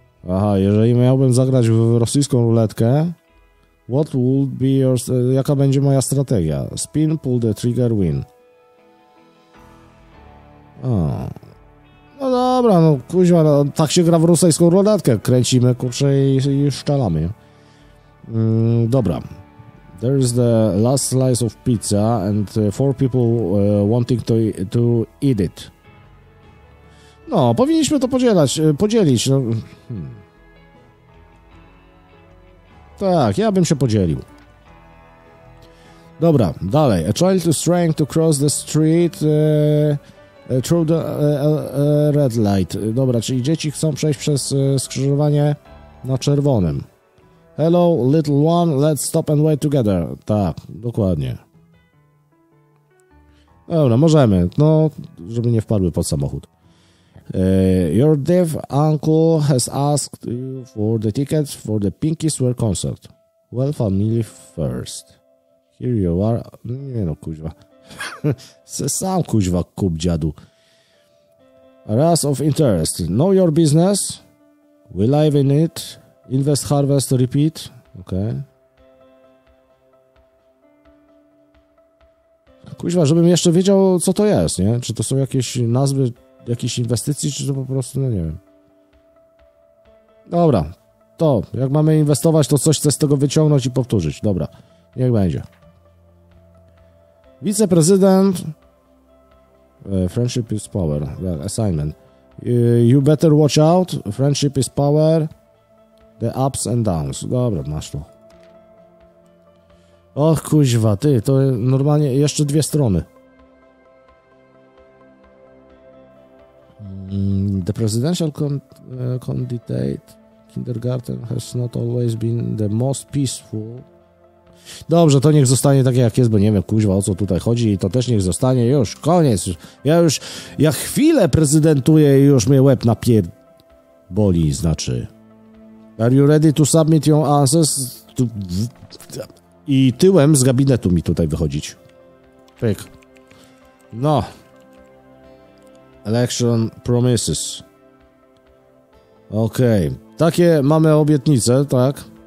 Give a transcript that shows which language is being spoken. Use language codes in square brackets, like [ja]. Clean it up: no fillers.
[pl] Aha, jeżeli miałbym zagrać w rosyjską ruletkę, [en] what would be your... [pl] jaka będzie moja strategia? [en] Spin, pull the trigger, win. [pl] No dobra, no kuźwa, no, tak się gra w rosyjską ruletkę. Kręcimy, kurczę, i szczelamy. Dobra. [en] There is the last slice of pizza and four people wanting to eat it. [pl] No, powinniśmy to podzielić. No. Tak, ja bym się podzielił. Dobra, dalej. [en] A child is trying to cross the street through the red light. [pl] Dobra, czyli dzieci chcą przejść przez skrzyżowanie na czerwonym. [en] Hello, little one, let's stop and wait together. [pl] Tak, dokładnie. Dobra, możemy. No, żeby nie wpadły pod samochód. [en] Your deaf uncle has asked you for the tickets for the Pinky Swear concert. Well, family first. Here you are. [pl] Nie no, kuźwa. Se sam kuźwa kup, dziadu. [en] Areas of interest. Know your business. We live in it. Invest, harvest, repeat. Okay. [pl] Kuźwa, żebym jeszcze wiedział, co to jest, nie? Czy to są jakieś nazwy jakichś inwestycji, czy to po prostu, no nie wiem. Dobra. To, jak mamy inwestować, to coś chcę z tego wyciągnąć i powtórzyć. Dobra. Niech będzie. Wiceprezydent. [en] Friendship is power. Well, assignment. You better watch out. Friendship is power. The ups and downs. [pl] Dobra, masz to. Och, kuźwa, ty, to normalnie jeszcze dwie strony. [en] The presidential candidate kindergarten has not always been the most peaceful. [pl] Dobrze, to niech zostanie takie jak jest, bo nie wiem, kuźwa, o co tutaj chodzi i to też niech zostanie. Już, koniec. Ja już, ja chwilę prezydentuję i już mnie łeb napierboli, znaczy. [en] Are you ready to submit your answers? [pl] I tyłem z gabinetu mi tutaj wychodzić. [en] Pyk. No. Election promises. Okej. Okay. [pl] Takie mamy obietnice, tak?